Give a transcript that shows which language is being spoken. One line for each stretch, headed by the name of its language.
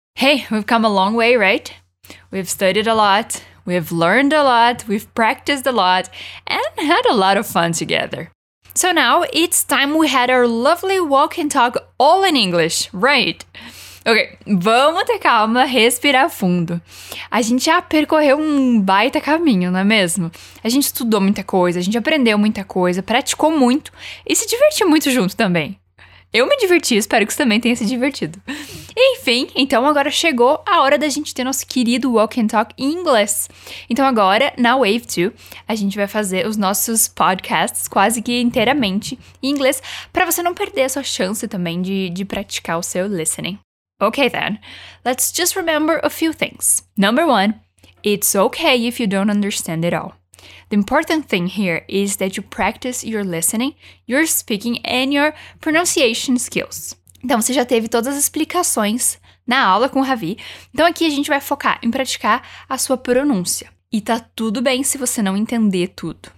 English: Hey, we've come a long way, right? We've studied a lot, we've learned a lot, we've practiced a lot, and had a lot of fun together. So now, it's time we had our lovely walk and talk all in English, right?
Portuguese: Ok, vamos ter calma, respirar fundo. A gente já percorreu um baita caminho, não é mesmo? A gente estudou muita coisa, a gente aprendeu muita coisa, praticou muito e se divertiu muito junto também. Eu me diverti, espero que você também tenha se divertido. Enfim, então agora chegou a hora da gente ter nosso querido Walk and Talk em inglês. Então agora, na Wave 2, a gente vai fazer os nossos podcasts quase que inteiramente em inglês para você não perder a sua chance também de praticar o seu listening.
English: Okay then, let's just remember a few things. Number one, it's okay if you don't understand it all. The important thing here is that you practice your listening, your speaking, and your pronunciation skills.
Portuguese: Então, você já teve todas as explicações na aula com o Ravi. Então, aqui a gente vai focar em praticar a sua pronúncia. E tá tudo bem se você não entender tudo.